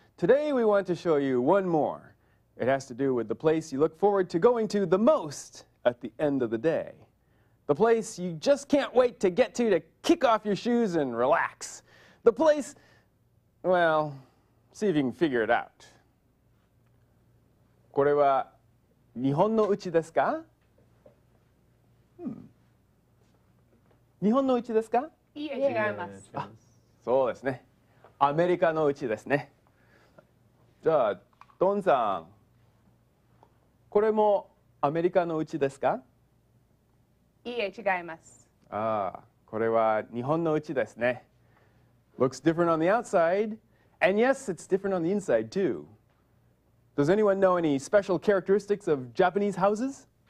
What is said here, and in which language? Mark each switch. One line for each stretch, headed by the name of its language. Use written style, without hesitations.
English: Today, we want to show you one more. It has to do with the place you look forward to going to the most at the end of the day. The place you just can't wait to get to kick off your shoes and relax. The place, well, see if you can figure it out.
Japanese: これは日本の家ですか？日本の家ですか？いや、違います。あ、そうですね。アメリカの家ですね。じゃあ、ドンさん、これもアメリカの家ですか？いや、違います。ああ、これは日本の家ですね。
English: Looks different on the outside. And yes, it's different on the inside too. Does anyone know any special characteristics of Japanese houses?